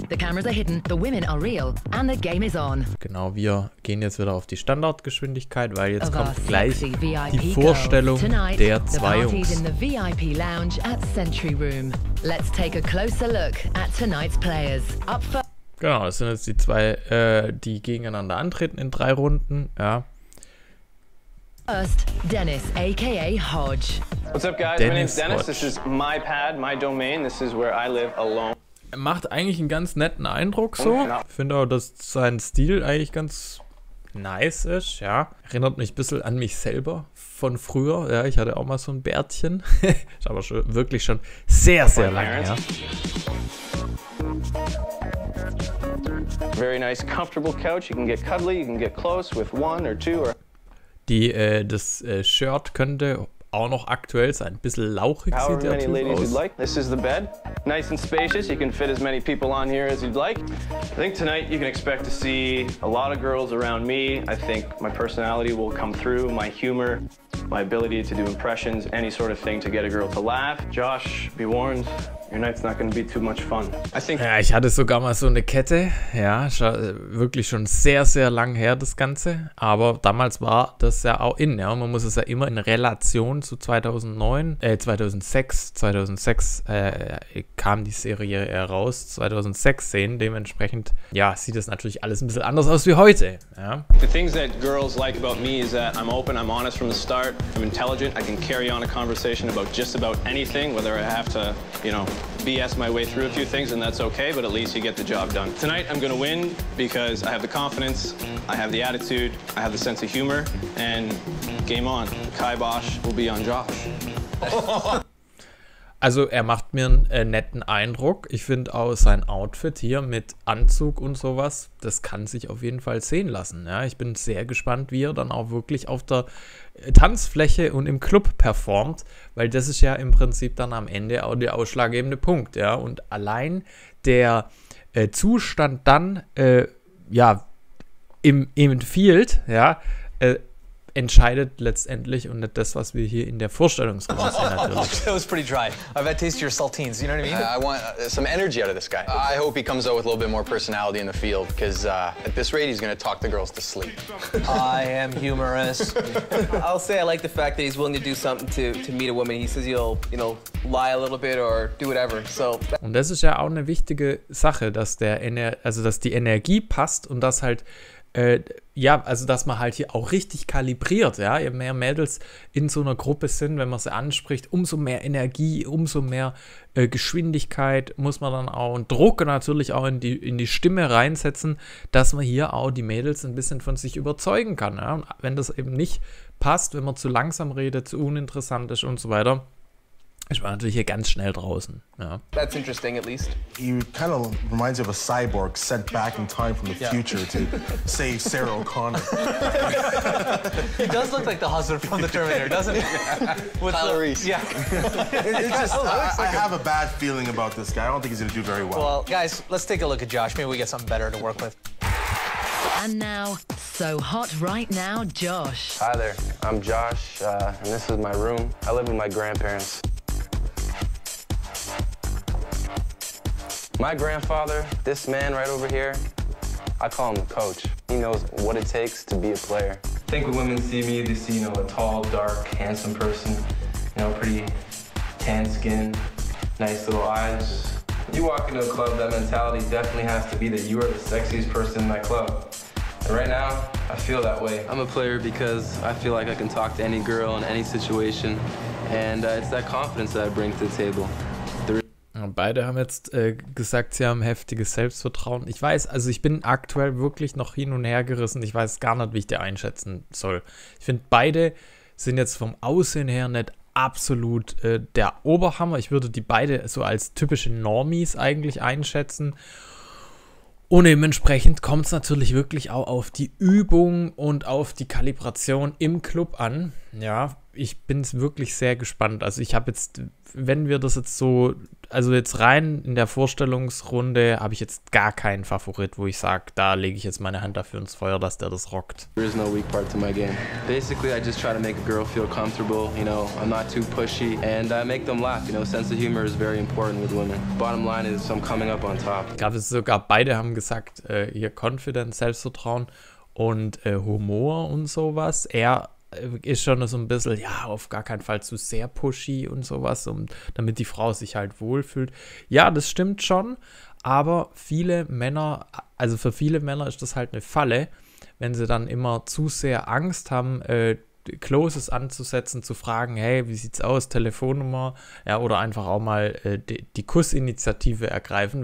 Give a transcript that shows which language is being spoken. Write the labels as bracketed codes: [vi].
[en] The cameras are hidden, the women are real, and the game is on. [de] Genau, wir gehen jetzt wieder auf die Standardgeschwindigkeit, weil jetzt kommt gleich die Vorstellung der zwei Jungs. [en] Tonight, the party's in the VIP lounge at Century Room. Let's take a closer look at tonight's players. Up for [de] genau, das sind jetzt die zwei, die gegeneinander antreten in drei Runden, ja. [en] First, Dennis, aka Hodge. What's up, guys? Dennis, my name's Dennis. This is my pad, my domain. This is where I live alone. [de] Er macht eigentlich einen ganz netten Eindruck so. Finde auch, dass sein Stil eigentlich ganz nice ist, ja. Erinnert mich ein bisschen an mich selber von früher. Ja, ich hatte auch mal so ein Bärtchen. Ist aber schon, wirklich schon sehr, sehr lange her. [en] Very nice, comfortable couch. You can get cuddly, you can get close with one or two or. [de] Die Shirt könnte auch noch aktuell sein. Ein bisschen lauchig sieht der Typ aus. [en] Like. This is the bed. Nice and spacious. You can fit as many people on here as you'd like. I think tonight you can expect to see a lot of girls around me. I think my personality will come through, my humor, my ability to do impressions, any sort of thing to get a girl to laugh. Josh, be warned. Your night's not gonna be too much fun. I think. [de] Ja, ich hatte sogar mal so eine Kette. Ja, wirklich schon sehr, sehr lang her das Ganze. Aber damals war das ja auch in. Ja, man muss es ja immer in Relation zu 2006 kam die Serie raus. 2006 sehen. Dementsprechend, ja, sieht es natürlich alles ein bisschen anders aus wie heute. Ja. [en] The things that girls like about me is that I'm open, I'm honest from the start, I'm intelligent, I can carry on a conversation about just about anything, whether I have to, you know. BS my way through a few things and that's okay, but at least you get the job done. Tonight I'm gonna win because I have the confidence, I have the attitude, I have the sense of humor and game on. Kibosh will be on Josh. [de] Also er macht mir einen netten Eindruck. Ich finde auch sein Outfit hier mit Anzug und sowas, das kann sich auf jeden Fall sehen lassen. Ja, ich bin sehr gespannt, wie er dann auch wirklich auf der Tanzfläche und im Club performt, weil das ist ja im Prinzip dann am Ende auch der ausschlaggebende Punkt. Ja, und allein der Zustand dann ja, im Field, ja, entscheidet letztendlich und nicht das, was wir hier in der Vorstellungsrunde sehen. [en] That was pretty dry. I bet taste your saltines. You know what I mean? I want some energy out of this guy. I hope he comes out with a little bit more personality in the field, because at this rate, he's gonna talk the girls to sleep. I am humorous. I'll say I like the fact that he's willing to do something to meet a woman. He says he'll, you know, lie a little bit or do whatever. So. [de] Und das ist ja auch eine wichtige Sache, dass der dass die Energie passt und dass halt ja, also dass man halt hier auch richtig kalibriert, ja, je mehr Mädels in so einer Gruppe sind, wenn man sie anspricht, umso mehr Energie, umso mehr Geschwindigkeit muss man dann auch und Druck natürlich auch in die Stimme reinsetzen, dass man hier auch die Mädels ein bisschen von sich überzeugen kann, ja, und wenn das eben nicht passt, wenn man zu langsam redet, zu uninteressant ist und so weiter, ich war natürlich hier ganz schnell draußen. Ja. [en] That's interesting, at least. He kind of reminds you of a cyborg sent back in time from the future to save Sarah O'Connor. He does look like the husband from the Terminator, doesn't he? With Kyle Reese. Yeah. I have a bad feeling about this guy. I don't think he's going to do very well. Well, guys, let's take a look at Josh. Maybe we get something better to work with. And now, so hot right now, Josh. Hi there. I'm Josh, and this is my room. I live with my grandparents. My grandfather, this man right over here, I call him the coach. He knows what it takes to be a player. I think when women see me, they see, you know, a tall, dark, handsome person, you know, pretty tan skin, nice little eyes, you walk into a club, that mentality definitely has to be that you are the sexiest person in that club. And right now, I feel that way. I'm a player because I feel like I can talk to any girl in any situation. And it's that confidence that I bring to the table. [de] Beide haben jetzt gesagt, sie haben heftiges Selbstvertrauen. Ich weiß, also ich bin aktuell wirklich noch hin und her gerissen. Ich weiß gar nicht, wie ich die einschätzen soll. Ich finde, beide sind jetzt vom Aussehen her nicht absolut der Oberhammer. Ich würde die beide so als typische Normies eigentlich einschätzen. Und dementsprechend kommt es natürlich wirklich auch auf die Übung und auf die Kalibration im Club an. Ja, ich bin wirklich sehr gespannt. Also ich habe jetzt, wenn wir das jetzt so, also jetzt rein in der Vorstellungsrunde, habe ich jetzt gar keinen Favorit, wo ich sage, da lege ich jetzt meine Hand dafür ins Feuer, dass der das rockt. [en] There is no weak part to my game. Basically, I just try to make a girl feel comfortable, you know, I'm not too pushy, and I make them laugh, you know, sense of humor is very important with women. Bottom line is, I'm coming up on top. [de] Ich glaube, sogar beide haben gesagt, hier Confidence, Selbstvertrauen und Humor und sowas. Er ist schon so ein bisschen, ja, auf gar keinen Fall zu sehr pushy und sowas, um, damit die Frau sich halt wohlfühlt. Ja, das stimmt schon, aber viele Männer, also für viele Männer ist das halt eine Falle, wenn sie dann immer zu sehr Angst haben, Closes anzusetzen, zu fragen, hey, wie sieht's aus, Telefonnummer, ja, oder einfach auch mal die Kussinitiative ergreifen.